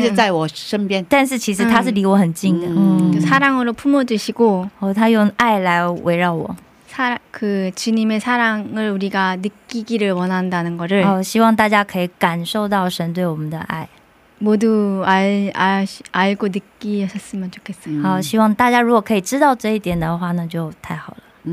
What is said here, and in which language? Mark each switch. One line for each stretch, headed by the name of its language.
Chinese: 가까이他一直在我身边但是其实他是离我很近的
Korean: 사랑으로 품어주시고
Chinese: 他用爱来围绕我
Korean: 그 주님의 사랑을 우리가 느끼기를 원한다는 거를
Chinese: 希望大家可以感受到神对我们的爱
Korean: 모두 알고 느끼셨으면 좋겠어요.
Chinese: 希望大家如果可以知道这一点的话那就太好了。